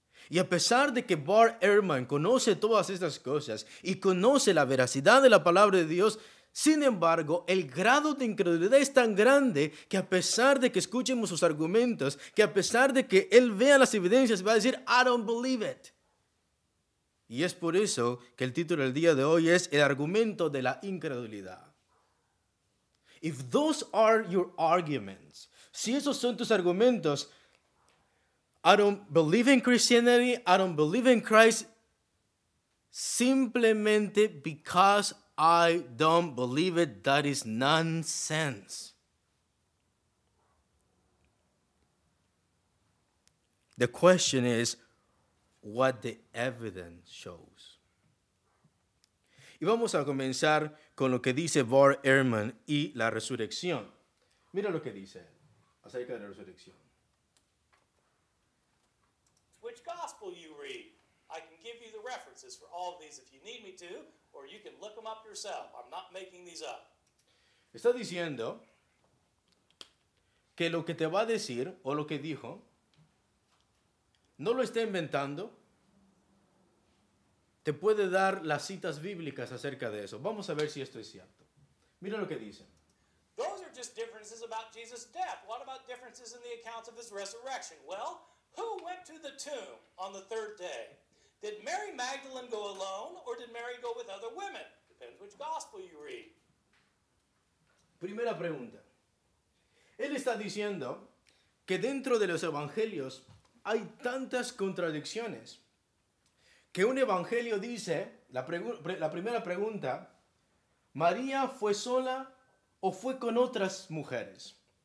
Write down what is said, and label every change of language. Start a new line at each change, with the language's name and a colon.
Spanish: Y a pesar de que Bart Ehrman conoce todas estas cosas y conoce la veracidad de la palabra de Dios, sin embargo, el grado de incredulidad es tan grande que a pesar de que escuchemos sus argumentos, que a pesar de que él vea las evidencias, va a decir,
English: I don't believe it.
Spanish: Y es por eso que el título del día de hoy es el argumento de la incredulidad.
English: If those are your arguments,
Spanish: si esos son tus argumentos,
English: I don't believe in Christianity, I don't believe in Christ,
Spanish: simplemente
English: because I don't believe it. That is nonsense. The question is what the evidence shows.
Spanish: Y vamos a comenzar con lo que dice Bart Ehrman y la resurrección. Mira lo que dice acerca de la resurrección.
English: Which gospel you read? I can give you the references for all of these if you need me to. Or you can look them up yourself. I'm not making these up.
Spanish: Está diciendo que lo que te va a decir o lo que dijo no lo está inventando. Te puede dar las citas bíblicas acerca de eso. Vamos a ver si esto es cierto. Mira lo que dice.
English: Those are just differences about Jesus' death. What about differences in the accounts of his resurrection? Well, who went to the tomb on the third day? Did Mary Magdalene go alone or did Mary go with other women? Depends which gospel you read.
Spanish: Primera pregunta. Él está diciendo que dentro de los evangelios hay tantas contradicciones que un evangelio dice, la primera pregunta, ¿María fue sola o fue con otras mujeres?